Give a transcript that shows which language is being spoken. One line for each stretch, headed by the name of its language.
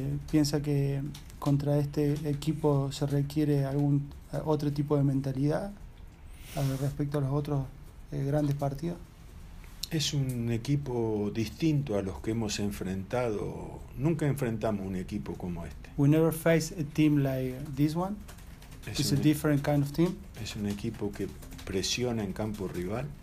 Spanish: Piensa que contra este equipo se requiere algún otro tipo de mentalidad respecto a los otros grandes partidos. Es un equipo distinto a los que hemos enfrentado. Nunca enfrentamos un equipo como este.
English: We never faced a team like this one. It's a different kind of team.
Spanish: Es un equipo que presiona en campo rival.